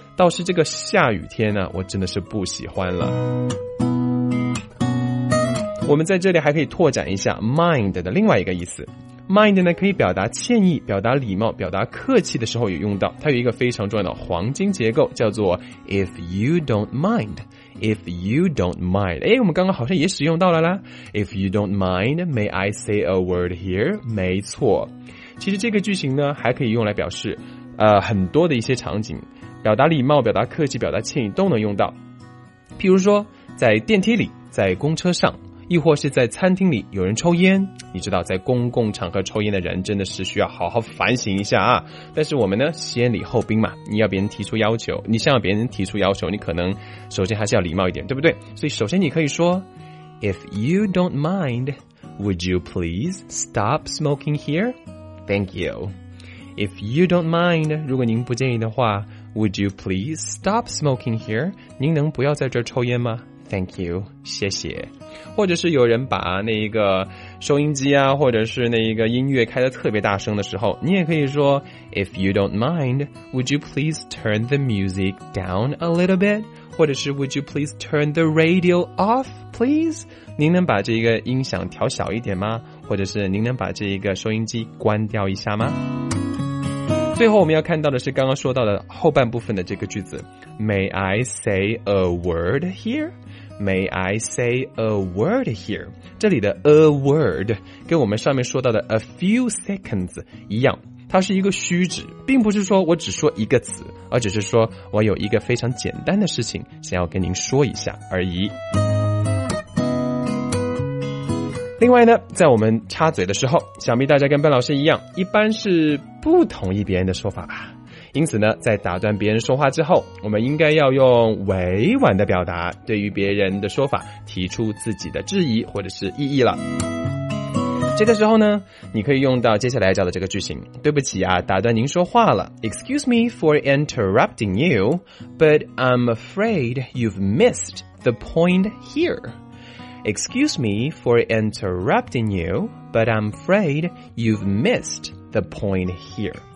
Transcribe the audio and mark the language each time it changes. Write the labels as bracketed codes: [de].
[zh] 倒是这个下雨天呢，我真的是不喜欢了。我们在这里还可以拓展一下 mind 的另外一个意思。 Mind 呢，可以表达歉意，表达礼貌，表达客气的时候也用到。它有一个非常重要的黄金结构，叫做 [en] If you don't mind. If you don't mind. [zh] 诶，我们刚刚好像也使用到了啦。 [en] If you don't mind, may I say a word here? [zh] 没错。其实这个句型呢，还可以用来表示很多的一些场景。表达礼貌，表达客气，表达歉意都能用到。譬如说，在电梯里，在公车上，亦或是在餐厅里有人抽烟，你知道在公共场合抽烟的人真的是需要好好反省一下啊。但是我们呢，先礼后兵嘛，你要别人提出要求，你向别人提出要求，你可能首先还是要礼貌一点，对不对？所以首先你可以说 [en] If you don't mind, would you please stop smoking here? Thank you. If you don't mind, [zh] 如果您不介意的话， [en] Would you please stop smoking here? [zh] 您能不要在这儿抽烟吗？ [en] Thank you, [zh] 谢谢。或者是有人把那一个收音机啊，或者是那一个音乐开得特别大声的时候，你也可以说 [en] If you don't mind, would you please turn the music down a little bit? [zh] 或者是 [en] Would you please turn the radio off, please? [zh] 您能把这个音响调小一点吗？或者是您能把这个收音机关掉一下吗？最后我们要看到的是刚刚说到的后半部分的这个句子 [en] May I say a word here? May I say a word here? [zh] 这里的 a word 跟我们上面说到的 a few seconds 一样，它是一个虚指，并不是说我只说一个词，而只是说我有一个非常简单的事情想要跟您说一下而已。另外呢，在我们插嘴的时候，想必大家跟班老师一样，一般是不同意别人的说法吧。因此呢，在打断别人说话之后，我们应该要用委婉的表达，对于别人的说法提出自己的质疑或者是异议了。这个时候呢，你可以用到接下来教的这个句型，对不起啊，打断您说话了。 [en] Excuse me for interrupting you, but I'm afraid you've missed the point here. Excuse me for interrupting you, but I'm afraid you've missed the point here.